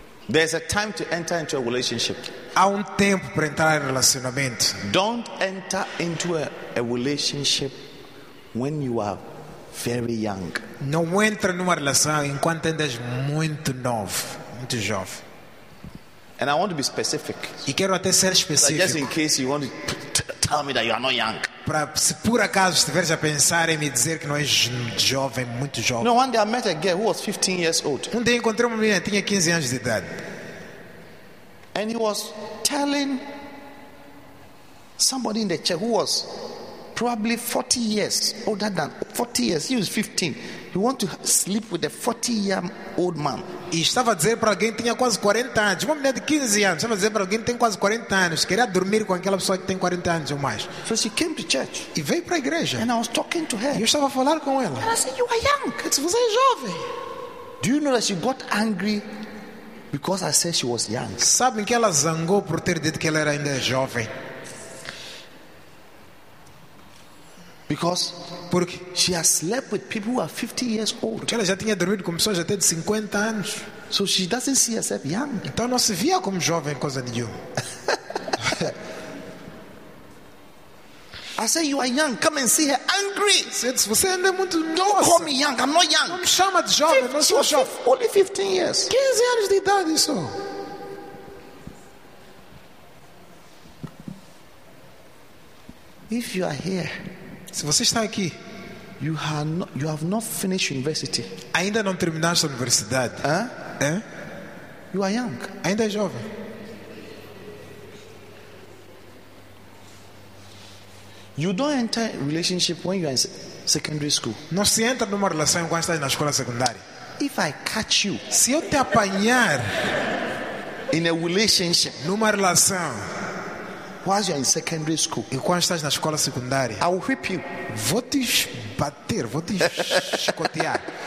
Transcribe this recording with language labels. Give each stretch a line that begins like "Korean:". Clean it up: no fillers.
English: There's a time to enter into a relationship.
Portuguese: Há tempo para entrar em relacionamento.
English: Don't enter into a relationship when you are very young.
Portuguese: Não entra numa relação enquanto ainda és muito novo, muito jovem.
English: And I want to be specific.
Portuguese: E quero até ser específico.
English: Just in case you want to tell me that you are not young.
Portuguese: Para se por acaso estiveres a pensar em me dizer que não és jovem, muito jovem.
English: No, one day I met a girl who was 15 years old.
Portuguese: Um dia encontrei uma menina que tinha 15 anos de idade.
English: And he was telling somebody in the church who was probably 40 years older than 40 years. He was 15. He wanted to sleep with a 40-year-old man.
Portuguese: E estava a dizer para alguém que tinha quase 40 anos. Uma mulher de 15 anos. Estava a dizer para alguém que tem quase 40 anos. Queria dormir com aquela pessoa que tem 40 anos ou mais.
English: So she came to church.
Portuguese: E veio para a igreja.
English: And I was talking to her.
Portuguese: E eu estava a falar com ela.
English: And I said, you are young.
Portuguese: Disse, você é jovem.
English: Do you know that she got angry because I said she was young?
Portuguese: Sabem que ela zangou por ter dito que ela era ainda jovem.
English: Because
Portuguese: porque
English: she has slept with people who are 50 years old.
Portuguese: Porque ela já tinha dormido com pessoas até de 50 anos.
English: So she doesn't see herself young.
Portuguese: Então não se via como jovem coisa nenhuma.
English: I say you are young. Come and see her angry.
Portuguese: Você ainda é muito novo.
English: Don't call me young. I'm not young.
Portuguese: Não me chama de jovem. 50, não sou jovem.
English: Only 15 years.
Portuguese: 15 anos de idade só.
English: If you are here.
Portuguese: Se você está aqui,
English: you have not finished university.
Portuguese: Ainda não terminaste a universidade.
English: You are young.
Portuguese: Ainda é jovem.
English: You don't enter relationship when you are in secondary school.
Portuguese: Não se entra numa relação quando está na escola secundária.
English: If I catch you,
Portuguese: se eu te apanhar
English: in a relationship,
Portuguese: numa relação. Quase em secondary school. E quando estás na escola secundária?
English: I will whip you.
Portuguese: Vou te bater, vou te chicotear.